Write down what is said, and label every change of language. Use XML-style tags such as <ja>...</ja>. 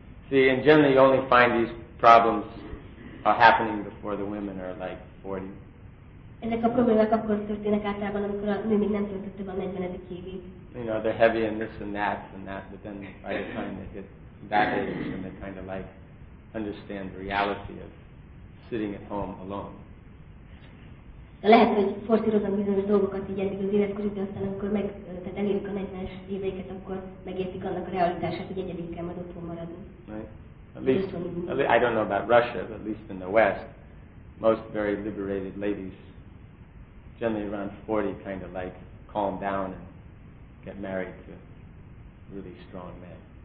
<en>See, and generally you only find these problems are happening before the women are like 40.</en> <hu>Ezek a problémák akkor történnek általában, amikor a nő még nem töltött több a 40. évét.</hu> <en>You know, they're heavy and this and that, but then by the time they hit that age, and they kind of like understand the reality of sitting at home alone.</en> <hu>De lehet, hogy forszírozom bizonyos dolgokat így eddig az életkorukban, aztán amikor meg, tehát elérik a 40-es éveiket, akkor megértik annak a realitását, hogy egyedül kell majd otthon maradni.</hu> <en>Right. At least, I don't know about Russia, but at least in the West, most very liberated ladies generally around 40 kind of like calm down and get married to really strong men.</en>